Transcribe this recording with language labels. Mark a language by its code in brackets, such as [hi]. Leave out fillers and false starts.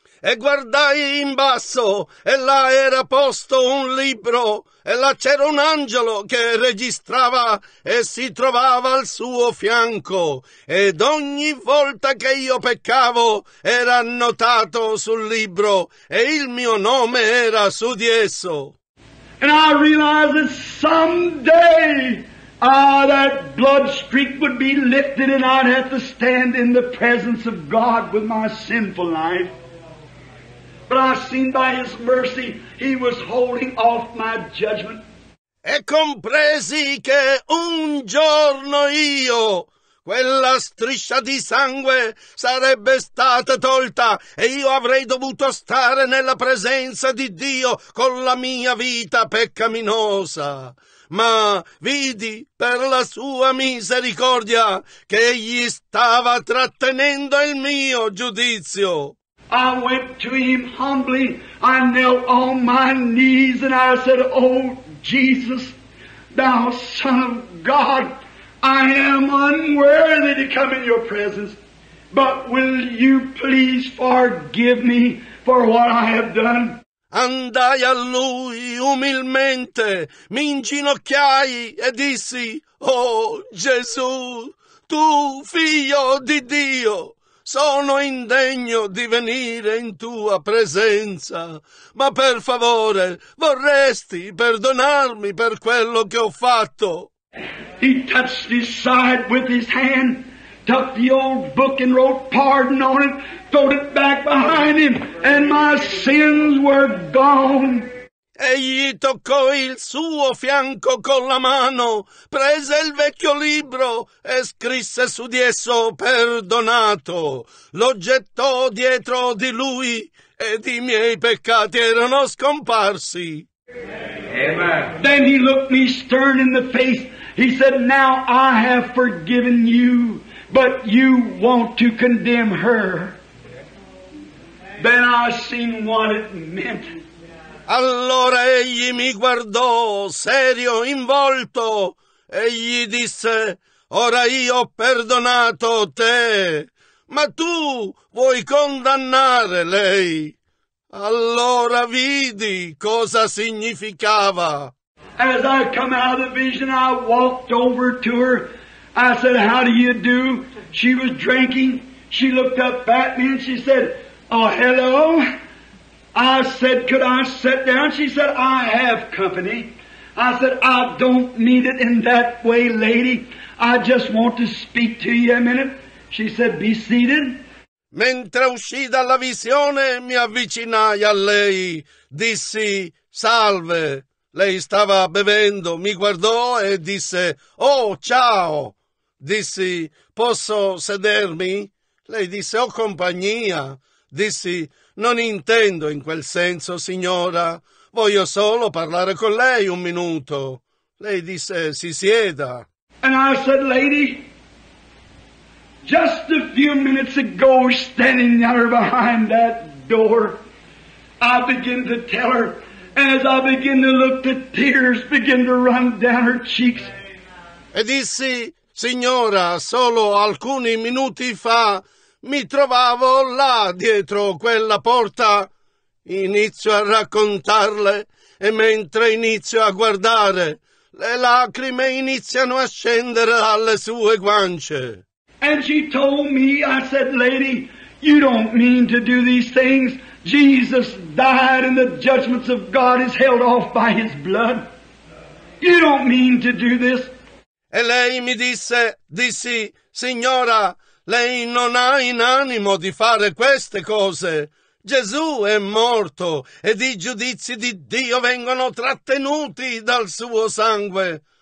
[it] E guardai in basso, e là era posto un libro, e là c'era un angelo che registrava e si trovava al suo fianco, ed ogni volta che io peccavo era annotato sul libro, e il mio nome era su di esso. [en] And I realized that someday, that blood streak would be lifted and I'd have to stand in the presence of God with my sinful life. But I seen by his mercy he was holding off my judgment. [it] E compresi che un giorno io, quella striscia di sangue sarebbe stata tolta e io avrei dovuto stare nella presenza di Dio con la mia vita peccaminosa. Ma vidi per la sua misericordia che egli stava trattenendo il mio giudizio. [en] I went to him humbly, I knelt on my knees and I said, Oh Jesus, thou Son of God, I am unworthy to come in your presence, but will you please forgive me for what I have done? [it] Andai a lui umilmente, mi inginocchiai e dissi, Oh Gesù, tu figlio di Dio! Sono indegno di venire in tua presenza, ma per favore vorresti perdonarmi per quello che ho fatto. [en] He touched his side with his hand, took the old book and wrote pardon on it, threw it back behind him, and my sins were gone. [it] Egli toccò il suo fianco con la mano, prese il vecchio libro e scrisse su di esso perdonato. Lo gettò dietro di lui ed i miei peccati erano scomparsi. Amen. [en] Then he looked me stern in the face. He said, Now I have forgiven you, but you want to condemn her. Then I seen what it meant. [it] Allora egli mi guardò serio in volto e gli disse, Ora io ho perdonato te, ma tu vuoi condannare lei. Allora vidi cosa significava. [en] As I come out of the vision, I walked over to her. I said, How do you do? She was drinking. She looked up at me and she said, Oh, hello. I said, could I sit down? She said, I have company. I said, I don't mean it in that way, lady. I just want to speak to you a minute. She said, be seated. [it] Mentre uscì dalla visione, mi avvicinai a lei. Dissi, salve. Lei stava bevendo, mi guardò e disse, oh, ciao. Dissi, posso sedermi? Lei disse, ho compagnia. Dissi, Non intendo in quel senso, signora. Voglio solo parlare con lei un minuto. Lei disse, si sieda. [en] And I said, lady, just a few minutes ago, standing there behind that door, I began to tell her, and as I began to look, the tears began to run down her cheeks. [it] E dissi, signora, solo alcuni minuti fa, Mi trovavo là dietro quella porta. Inizio a raccontarle e mentre inizio a guardare, le lacrime iniziano a scendere dalle sue guance. [en] And she told me, I said, lady, you don't mean to do these things. Jesus died and the judgments of God is held off by his blood. You don't mean to do this. [it] E lei mi disse, dissi, signora, Lei non ha in animo di fare queste cose. Gesù è morto ed i giudizi di Dio vengono trattenuti dal suo sangue.